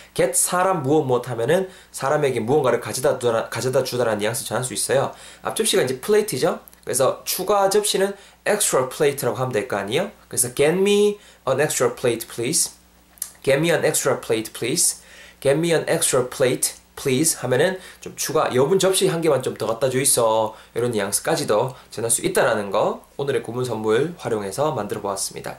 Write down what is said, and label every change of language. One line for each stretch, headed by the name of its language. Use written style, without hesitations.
Korean: get 사람 무엇 못 하면은 사람에게 무언가를 가져다 주다라는 뉘앙스 전할 수 있어요. 앞 접시가 이제 plate죠. 그래서 추가 접시는
English: extra plate
Korean: 라고 하면 될거 아니에요.
English: 그래서 get me an extra plate, please. Get me an extra plate, please. Get me an extra plate, please.
Korean: 하면은 좀 추가 여분 접시 한 개만 좀더 갖다 주 있어. 이런 뉘앙스까지도 전할 수 있다라는 거 오늘의 구문 선물 활용해서 만들어 보았습니다.